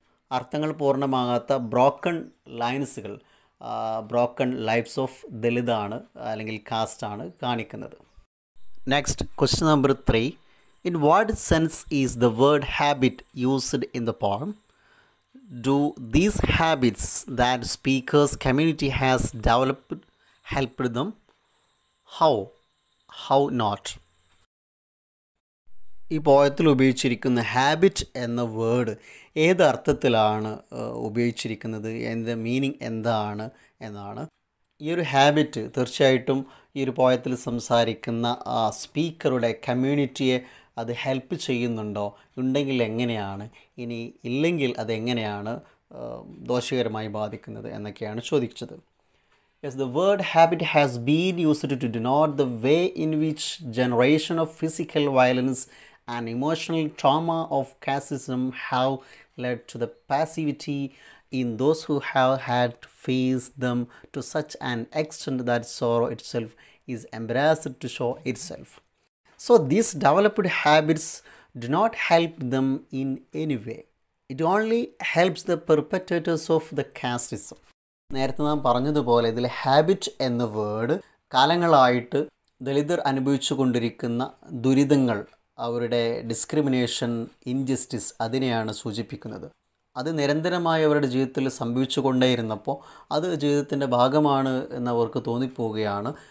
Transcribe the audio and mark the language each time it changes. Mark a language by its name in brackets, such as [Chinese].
[Malayalam] അർത്ഥങ്ങൾ പൂർണ്ണമാകാത്ത broken ലൈൻസുകൾ, [English] broken lifes of [Malayalam] ദളിതാണ് അല്ലെങ്കിൽ കാസ്റ്റാണ് കാണിക്കുന്നത്. [English] Next question number 3: in what sense is the word habit used in the poem? Do these habits that speaker's community has developed help them? How not? [Malayalam] ഈ പോയത്തിൽ ഉപയോഗിച്ചിരിക്കുന്ന habit എന്ന word ഏതർത്ഥത്തിലാണ് ഉപയോഗിച്ചിരിക്കുന്നത്, എൻ്റെ meaning എന്താണ് എന്നാണ്. ഈ ഒരു ഹാബിറ്റ് തീർച്ചയായിട്ടും ഈ ഒരു പോയത്തിൽ സംസാരിക്കുന്ന സ്പീക്കറുടെ കമ്മ്യൂണിറ്റിയെ അത് ഹെൽപ്പ് ചെയ്യുന്നുണ്ടോ? ഉണ്ടെങ്കിൽ എങ്ങനെയാണ്? ഇനി ഇല്ലെങ്കിൽ അതെങ്ങനെയാണ് ദോഷകരമായി ബാധിക്കുന്നത് എന്നൊക്കെയാണ് ചോദിച്ചത്. [English] Yes, the word habit has been used to denote the way in which generation of physical violence and emotional trauma of casteism have led to the passivity in those who have had to face them to such an extent that sorrow itself is embarrassed to show itself. So these developed habits do not help them in any way. It only helps the perpetrators of the casteism. [Malayalam] നേരത്തെ നാം പറഞ്ഞതുപോലെ ഇതിൽ habit എന്ന word കാലങ്ങളായിട്ട് ദളിതർ അനുഭവിച്ചു കൊണ്ടിരിക്കുന്ന ദുരിതങ്ങൾ, അവരുടെ ഡിസ്ക്രിമിനേഷൻ, ഇൻജസ്റ്റിസ് അതിനെയാണ് സൂചിപ്പിക്കുന്നത്. അത് നിരന്തരമായി അവരുടെ ജീവിതത്തിൽ സംഭവിച്ചു കൊണ്ടേയിരുന്നപ്പോൾ അത് ജീവിതത്തിൻ്റെ ഭാഗമാണ് എന്നവർക്ക് തോന്നിപ്പോവുകയാണ്.